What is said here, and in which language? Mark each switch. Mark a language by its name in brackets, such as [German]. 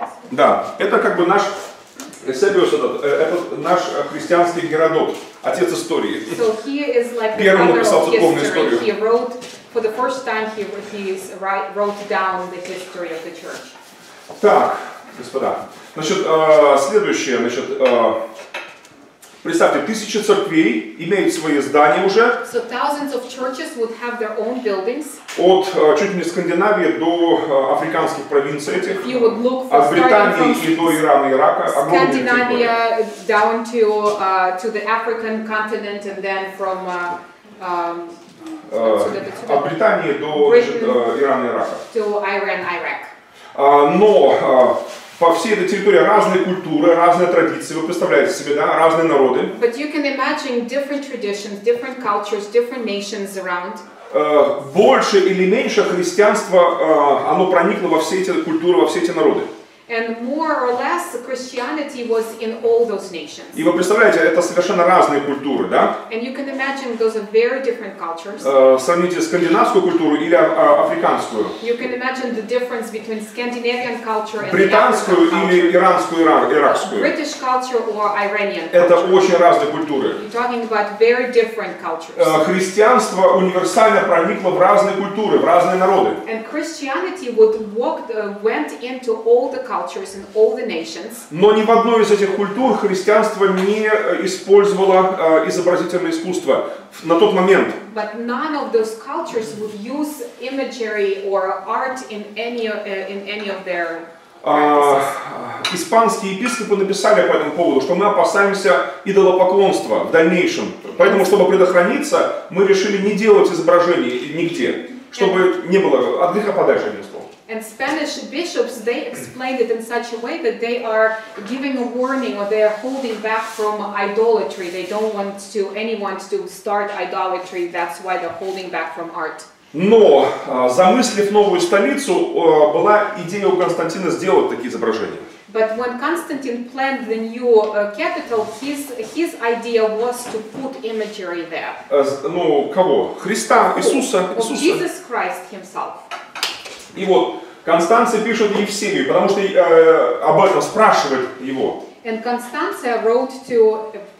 [Russian] Да, это как бы наш Эсебиус, этот наш христианский Геродот, отец истории. [English] So he is like the [Russian] первым написал церковную историю. [English] He wrote for the first time he wrote down the history of the church. [Russian] Так, господа, значит, следующее, значит, представьте, тысячи церквей имеют свои здания уже. [English] So thousands of churches would have their own buildings. [Russian] От чуть ли не Скандинавии до африканских провинций этих. [English] You would look for [Russian] от Британии и до Ирана и Ирака. [English] Scandinavia down to the African continent and then from [Russian] от Британии до Ирана и Ирака. [English] To Iran, Iraq. [Russian] Но по всей этой территории разные культуры, разные традиции, вы представляете себе, да, разные народы. [English] But you can imagine different traditions, different cultures, different nations around. [Russian] Больше или меньше христианство, оно проникло во все эти культуры, во все эти народы. [English] And more or less Christianity was in all those nations. [Russian] И вы представляете, это совершенно разные культуры, да? [English] And you can imagine those are very different cultures. [Russian] Сравните скандинавскую культуру или африканскую. [English] You can imagine the difference between Scandinavian culture and [Russian] британскую [English] the African culture. [Russian] Или иранскую, иракскую. [English] British culture or Iranian culture. [Russian] Это очень разные культуры. [English] You're talking about very different cultures. [Russian] Христианство универсально проникло в разные культуры, в разные народы. [English] And Christianity would went into all the cultures in all the nations. [Russian] Но ни в одной из этих культур христианство не использовало изобразительное искусство на тот момент. [English] But none of those cultures would use imagery or art in any of their practices. [Russian] Испанские епископы написали по этому поводу, что мы опасаемся идолопоклонства в дальнейшем. Поэтому, чтобы предохраниться, мы решили не делать изображений нигде. чтобы не было от греха подальше одним словом. [English] And Spanish bishops, they explained it in such a way that they are giving a warning or they are holding back from idolatry. They don't want to anyone to start idolatry. That's why they're holding back from art. [Russian] Но замыслив новую столицу, была идея у Константина сделать такие изображения. [English] But when Constantine planned the new capital, his idea was to put imagery there. [Russian] Ну, кого? Христа, Иисуса, Иисуса. [English] Jesus Christ himself. [Russian] И вот Констанция пишет Евсевию, потому что об этом спрашивает его. [English] And Constantia wrote to